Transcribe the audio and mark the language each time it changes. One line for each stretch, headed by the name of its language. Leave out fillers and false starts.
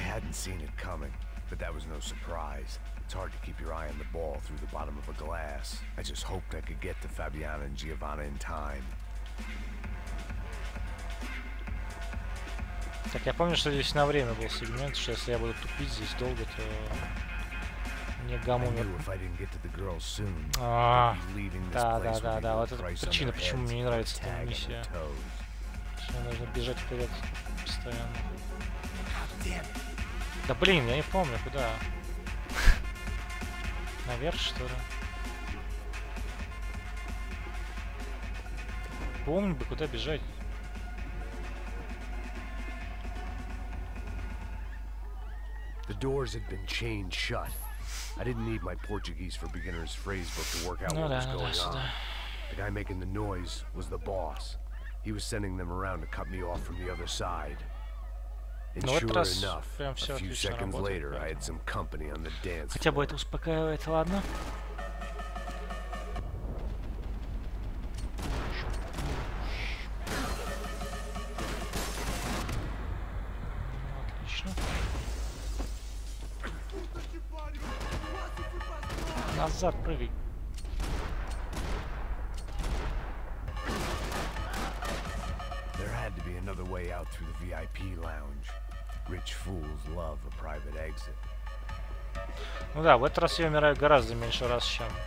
English: Seen it coming, but that was no surprise. It's hard to keep your eye on the ball through the bottom of a glass. I just hoped I could get to Fabiana and Giovanna in time.
Russian: Так, я помню, что здесь на время был сегмент, что если я буду тупить здесь долго, то мне гамму.
English: I knew if I didn't get to the girl soon,
Russian: да. Вот это причина, почему мне не нравится эта миссия. Мне нужно бежать вперед постоянно. Да блин, я не помню, куда. Наверх, что ли? Помню бы, куда бежать.
English: The doors had been chained shut. I didn't need my Portuguese for beginners phrase book to work out what was going on. The guy making the noise was the boss. He was sending them around to cut me off from the other side.
Russian: Но вот раз, прям все отлично работает, поэтому. Хотя бы это успокаивает, ладно. Отлично. Назад прыгай.
English: There had to be another way out through the VIP lounge. Rich fools love a private exit.
Russian: Ну да, в этот раз я умираю гораздо меньше раз, чем...